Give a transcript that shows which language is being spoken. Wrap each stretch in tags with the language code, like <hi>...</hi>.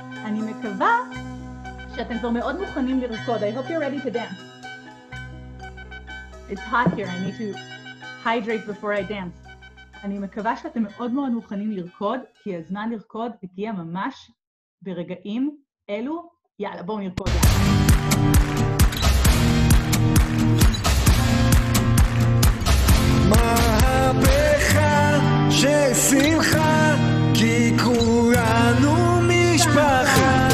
<he>אני מקווה שאתם כבר מאוד מוכנים לרקוד.</he> <en>I hope you're ready to dance. It's hot here, I need to hydrate before I dance.</en> <he>אני מקווה שאתם מאוד מאוד מוכנים לרקוד, כי הזמן לרקוד הגיע ממש ברגעים אלו. יאללה, בואו נרקוד. מהפכה של שמחה, כי כולנו משפחה.</he>